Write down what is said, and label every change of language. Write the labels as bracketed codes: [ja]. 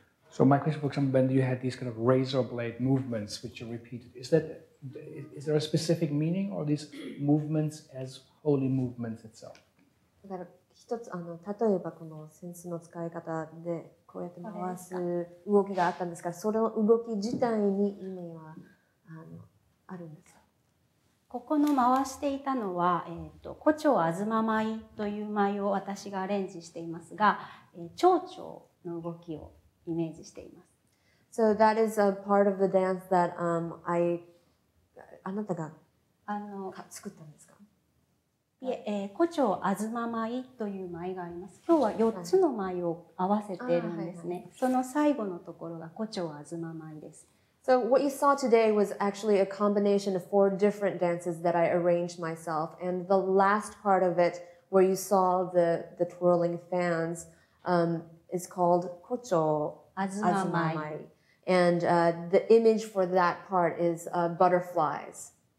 [en] So my question, for example, when you had these kind of razor blade movements which you repeated, is there a specific meaning or these movements as holy movements itself? [ja] だから一つ例えばこのセンスの使い方でこうやって回す動きがあったんですが、それの動き自体に意味はあるんですか？ここの回していたのは、胡蝶あずま舞という舞を私がアレンジしていますが、蝶々の動きをイメージしています。 [en] So that is a part of the dance that [ja] あなたが作ったんですか？胡蝶あずま舞という舞があります。今日は4つの舞を合わせているんですね。その最後のところが胡蝶あずま舞です。 [en] So what you saw today was actually a combination of four different dances that I arranged myself. And the last part of it, where you saw the twirling fans, is called 胡蝶 [ja] あずま舞。 [en] And the image for that part is butterflies.